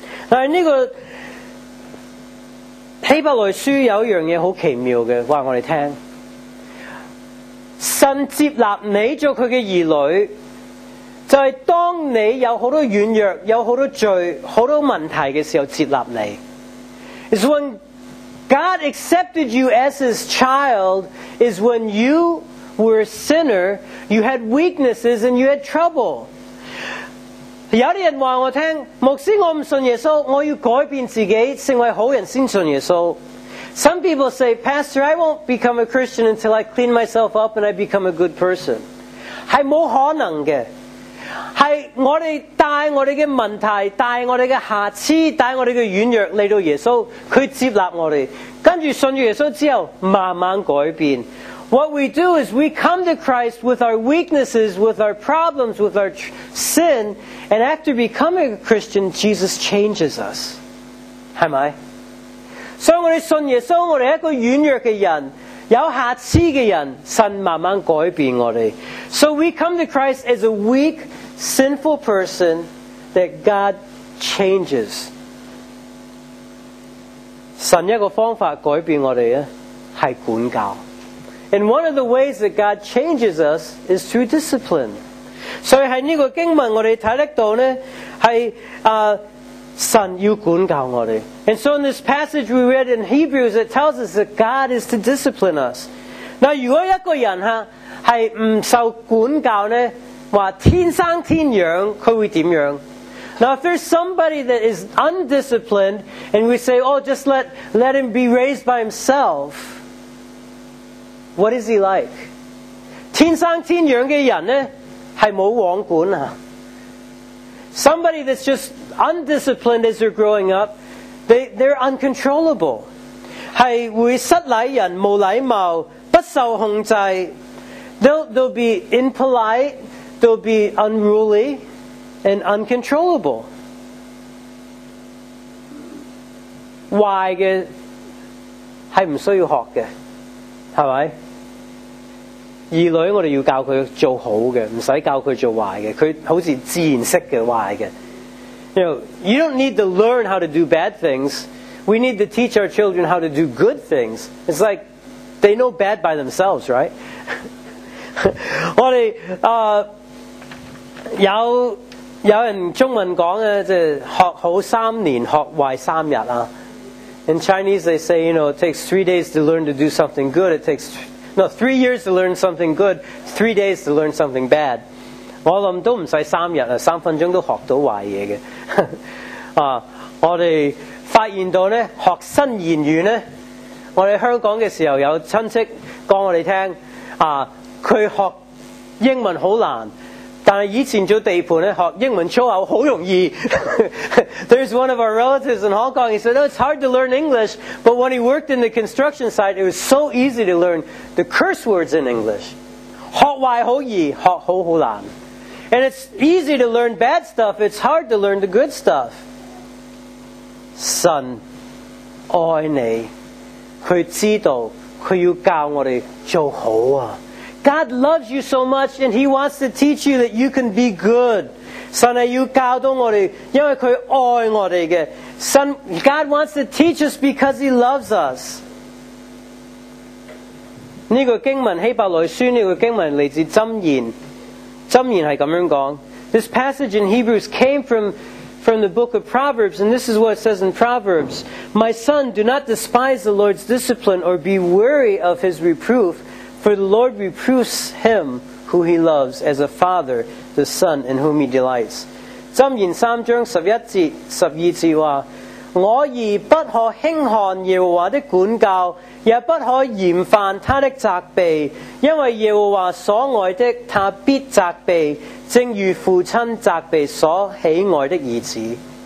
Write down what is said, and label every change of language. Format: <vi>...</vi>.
<en>Now,</en> <yue>这个希伯来书有一样嘢好奇妙嘅，话我哋听。神接纳你做佢嘅儿女，就系当你有好多软弱、有好多罪、好多问题嘅时候接纳你。</yue> <en>It's when God accepted you as His child is when you were a sinner, you had weaknesses and you had trouble.</en> <yue>有啲人话我听，牧师我唔信耶稣，我要改变自己，成为好人先信耶稣。</yue> <en>Some people say, Pastor, I won't become a Christian until I clean myself up and I become a good person.</en> <yue>系冇可能嘅。是我们带我们的问题，带我们的瑕疵，带我们的软弱来到耶稣，祂接纳我们，跟着信耶稣之后慢慢改变。</yue> <en>What we do is we come to Christ with our weaknesses, with our problems, with our sin, and after becoming a Christian, Jesus changes us.</en> <yue>是吗？所以我们信耶稣，我们是一个软弱的人，有瑕疵的人，神慢慢改变我们。</yue> <en>So we come to Christ as a weak, sinful person that God changes.</en> <yue>神一个方法改变我们是管教。</yue> <en>And one of the ways that God changes us is through discipline.</en> <yue>所以在这个经文我们看得到呢，是神要管教我们。</yue> <en>And so in this passage we read in Hebrews, it tells us that God is to discipline us.</en> <yue>那如果一个人哈是不受管教呢，说天生天养，他会怎样？</yue> <en>Now if there's somebody that is undisciplined, and we say, oh, just let him be raised by himself, what is he like?</en> <yue>天生天养的人呢，是没王管啊。</yue> <en>Somebody that's just undisciplined as they're growing up, they're uncontrollable.</en> <yue>是会失礼人，无礼貌，不受控制。</yue> <en>They'll be impolite, they'll be unruly and uncontrollable.</en> <yue>坏的是不需要学的，是吧？儿女我们要教他做好的，不用教他做坏的，他好像自然识的坏的。</yue> <en>You know, you don't need to learn how to do bad things. We need to teach our children how to do good things. It's like they know bad by themselves, right?</en> <yue>我们有人中文讲的，就是学好三年，学坏三日啊。</yue> <en>In Chinese, they say, you know, it takes 3 days to learn to do something good. It takes, no, 3 years to learn something good, 3 days to learn something bad.</en> <yue>我想都不用三天了，三分钟都学到坏东西的。我们发现到呢，学新言语呢，我哋香港嘅時候有親戚講我哋聽，啊，佢學英文好難，但係以前做地盤咧，學英文粗口好容易。</yue> <en>There's one of our relatives in Hong Kong. He said, "Oh, it's hard to learn English, but when he worked in the construction site, it was so easy to learn the curse words in English."</en> <yue>學壞好易，學好好難。</yue> <en>And it's easy to learn bad stuff. It's hard to learn the good stuff.</en> <yue>神爱你，佢知道佢要教我哋做好啊。</yue> <en>God loves you so much, and He wants to teach you that you can be good.</en> <yue>神要教导我哋，因为佢爱我哋嘅。</yue> <en>Son, God wants to teach us because He loves us.</en> <yue>呢个经文希伯来书呢个经文嚟自箴言。箴言是这样说，</yue> <en>This passage in Hebrews came from the book of Proverbs, and this is what it says in Proverbs. My son, do not despise the Lord's discipline or be weary of his reproof, for the Lord reproves him who he loves as a father, the son in whom he delights.</en> <yue>箴言三章十一节十二节说，我儿不可轻看耶和华的管教，也不可嫌犯他的责备，因为耶和华所爱的，他必责备，正如父亲责备所喜爱的儿子。</yue>